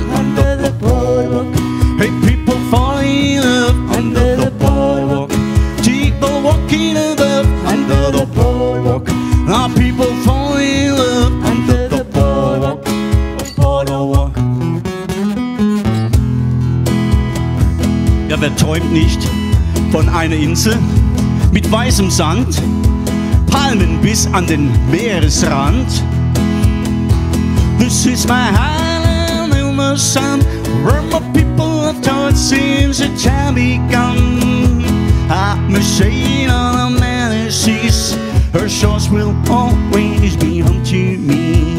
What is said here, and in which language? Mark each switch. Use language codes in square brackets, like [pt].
[en] Under the boardwalk, hey, people falling in love. Under the boardwalk, people walking in love. Under the boardwalk, now people falling in love. Under the boardwalk, a boardwalk. [de] Ja, wer träumt nicht von einer Insel mit weißem Sand, Palmen bis an den Meeresrand. [en] This is my island in the sun, where my people have taught since the time begun. I'm a sailing on the many seas, her shores will always be home to me.